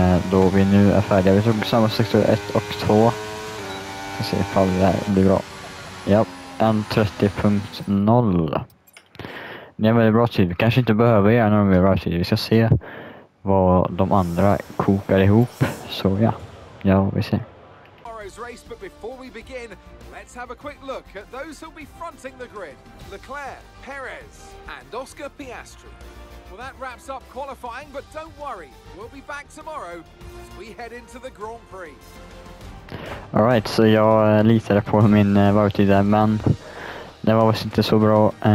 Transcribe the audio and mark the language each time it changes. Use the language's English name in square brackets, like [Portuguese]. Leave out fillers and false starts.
[Swedish] Då vi nu är färdiga, vi tog samma sektor 1 och 2. Vi ska se ifall det här blir bra. Ja, 1.30.0. Det är en väldigt bra tid, vi kanske inte behöver göra någon mer bra tid, vi ska se vad de andra kokar ihop. Så ja, ja, vi ser. [English] Race, but before we begin, let's have a quick look at those who'll be fronting the grid. Leclerc, Perez and Oscar Piastri. Well, that wraps up qualifying, but don't worry. We'll be back tomorrow as we head into the Grand Prix. All right, [Swedish] så jag litade på min varvtid där, men det var inte så bra.